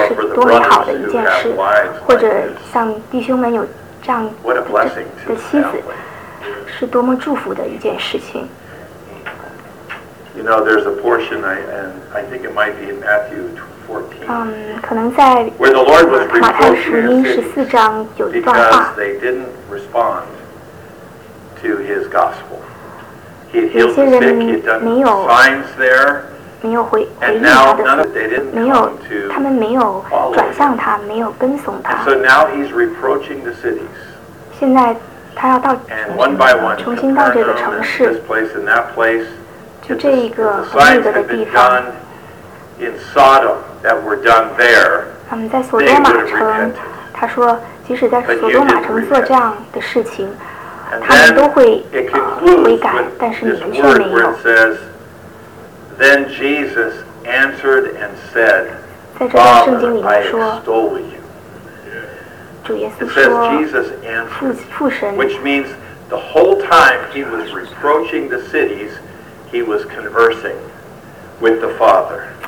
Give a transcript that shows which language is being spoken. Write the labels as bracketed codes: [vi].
[zh] 如果姊妹有这样的丈夫是多么好的一件事 或者像弟兄们有这样的妻子 是多么祝福的一件事情 [en] You know, there's a portion, and I think it might be in Matthew 14 [zh] 可能在 [en] where the Lord was reproaching his cities because they didn't respond to his gospel. He had healed the sick, he had done signs there. [zh] 没有回应他的，没有，他们没有转向他，没有跟从他。 [en] So now he's reproaching the cities. [zh] 现在他要到 [en] and one by one, [zh] 重新到这个城市。 [en] This place and that place. [zh] 就这一个和那个的地方。 [en] The signs had been done in Sodom that were done there. [zh] 他们在索多玛城， 他说，即使在索多玛城做这样的事情， 他们都会悔改， 但是你们却没有。 [en] Then Jesus answered and said, Father, I extol you. It says Jesus answered, which means the whole time he was reproaching the cities, he was conversing with the Father.